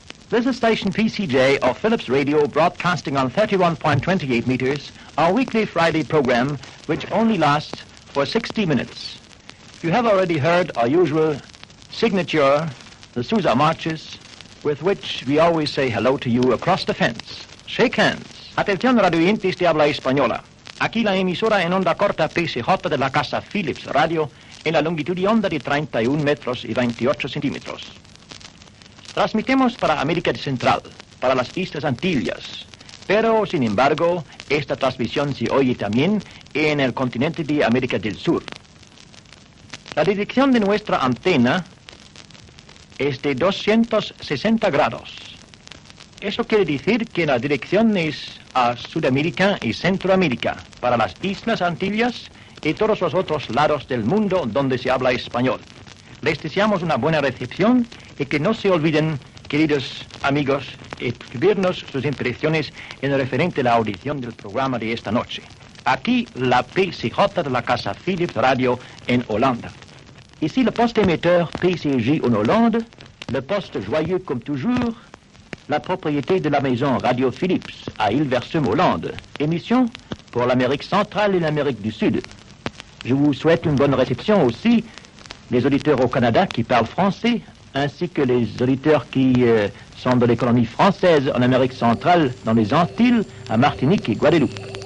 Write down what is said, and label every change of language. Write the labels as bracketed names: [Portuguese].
[English] This is station PCJ of Philips Radio, broadcasting on 31.28 meters, our weekly Friday program, which only lasts for 60 minutes. You have already heard our usual signature, the Sousa Marches, with which we always say hello to you across the fence. Shake hands. [Spanish] Atención, radio oyentes de habla española. Aquí la emisora en onda corta PCJ de la Casa Philips Radio en la longitud de onda de 31 metros y 28 centímetros. Transmitemos para América Central, para las Islas Antillas, Pero, sin embargo, esta transmisión se oye también en el continente de América del Sur. La dirección de nuestra antena es de 260 grados. Eso quiere decir que la dirección es a Sudamérica y Centroamérica, para las Islas Antillas y todos los otros lados del mundo donde se habla español. Les deseamos una buena recepción y que no se olviden, queridos amigos, escribirnos sus impresiones en referente a la audición del programa de esta noche. Aquí la PCJ de la Casa Philips Radio en Holanda. [French] Ici le poste émetteur PCJ en Hollande, le poste joyeux comme toujours, la propriété de la maison Radio Philips à Hilversum, Hollande. Émission pour l'Amérique centrale et l'Amérique du Sud. Je vous souhaite une bonne réception aussi, les auditeurs au Canada qui parlent français, ainsi que les auditeurs qui sont de l'économie française en Amérique centrale, dans les Antilles, à Martinique et Guadeloupe.